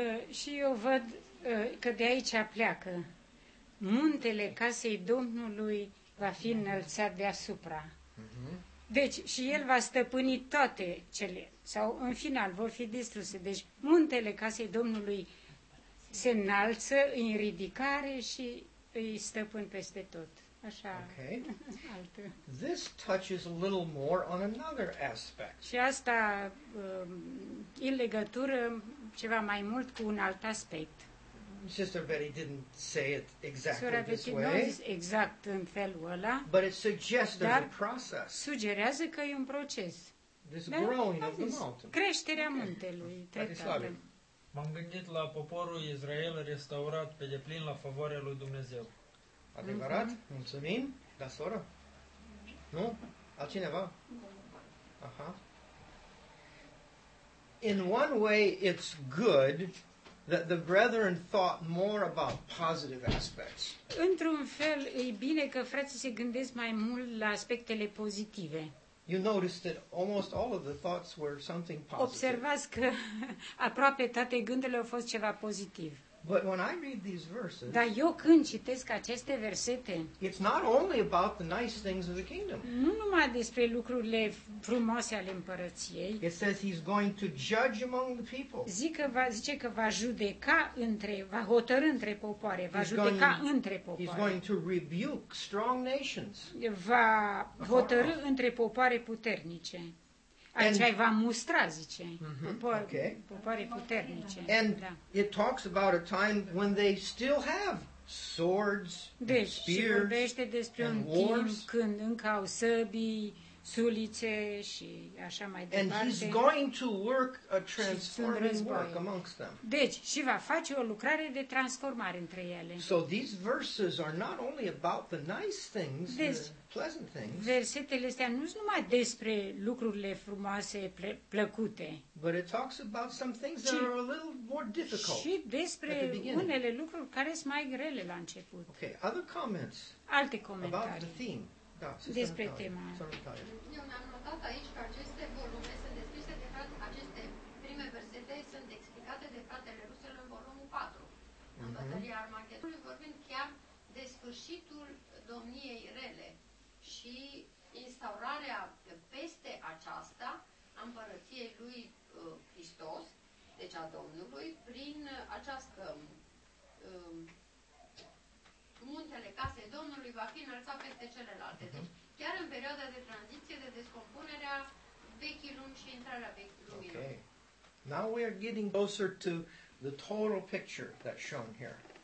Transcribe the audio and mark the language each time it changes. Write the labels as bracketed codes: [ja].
[ro] Și eu văd că de aici pleacă. Muntele casei Domnului va fi înălțat deasupra. Deci, și el va stăpâni toate cele, sau în final vor fi distruse. Deci, muntele casei Domnului se înalță în ridicare și îi stăpân peste tot. Așa. Okay. [en] This touches a little more on another aspect. [ro] Și asta în legătură ceva mai mult cu un alt aspect. [en] Sister Betty didn't say it exactly this way. [ro] Exact în felul ăla. [en] But it suggests there's a process. [ro] Sugerează că e un proces. [en] This growing of the mountain. [ro] Creșterea muntelui. M-am gândit la poporul Israel restaurat pe deplin la favoarea lui Dumnezeu. Adevărat? Mulțumim. Da, soră? Nu? Altcineva? Aha. [en] In one way, it's good that the brethren thought more about positive aspects. [ro] Într-un fel, e bine că frații se gândesc mai mult la aspectele pozitive. [en] You noticed that almost all of the thoughts were something positive. [ro] Observați că aproape toate gândurile au fost ceva pozitiv. [en] But when I read these verses, [ro] dar eu când citesc aceste versete, [en] it's not only about the nice things of the kingdom. [ro] Nu numai despre lucrurile frumoase ale împărăției. [en] It says he's going to judge among the people. [ro] Zice că va judeca între, va hotărâ între popoare, va judeca între popoare. [en] He's going to rebuke strong nations. [ro] Va hotărâ între popoare puternice. Aici ai va mustra, zice, popoare puternice. [en] And it talks about a time when they still have swords, [ro] deci, [en] spears, [ro] și vorbește despre un [en] wars. [ro] Timp când încă au săbii, sulițe și așa mai departe. [en] And he's going to work a transforming work amongst them. [ro] Deci, și va face o lucrare de transformare între ele. [en] So these verses are not only about the nice things, the pleasant things. [ro] Versetele astea nu sunt numai despre lucrurile frumoase, plăcute. [en] But it talks about some things that are a little more difficult. [ro] Și despre unele lucruri care sunt mai grele la început. [en] Okay, other comments. [ro] Alte comentarii. [en] About the theme. Da, [ro] despre Italia. Tema. Eu mi-am notat aici că aceste volume sunt descrise de frate, aceste prime versete sunt explicate de fratele Rusel în volumul 4, în Bătălia Armagedonului, vorbind chiar de sfârșitul domniei rele și instaurarea peste aceasta împărăției lui Hristos, Deci a Domnului, prin această muntele casei Domnului va fi înălțat peste celelalte. Deci chiar în perioada de tranziție, de descompunerea vechii lumi și intrarea vechii lumii. Okay. [en] Now we are getting closer to the total picture that's shown here.